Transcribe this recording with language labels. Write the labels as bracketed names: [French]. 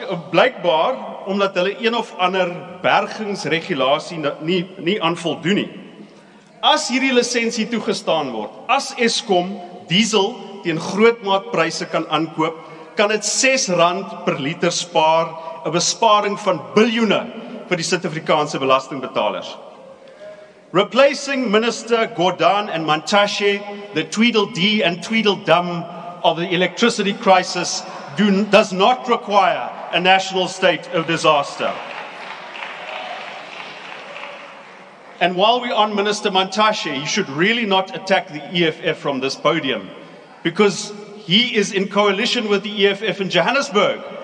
[Afrikaans] Blykbaar omdat hulle een of ander bergingsregulasie nie aan voldoen nie. As hierdie lisensie toegestaan word, as Eskom diesel teen groot maatpryse kan aankoop, kan dit R6 per liter spaar, 'n besparing van biljoene vir die Suid-Afrikaanse belastingbetalers. [English] Replacing Minister Gordhan and Mantashe, the Tweedledee and Tweedledum of the electricity crisis, does not require a national state of disaster. And while we're on Minister Mantashe, he should really not attack the EFF from this podium, because he is in coalition with the EFF in Johannesburg.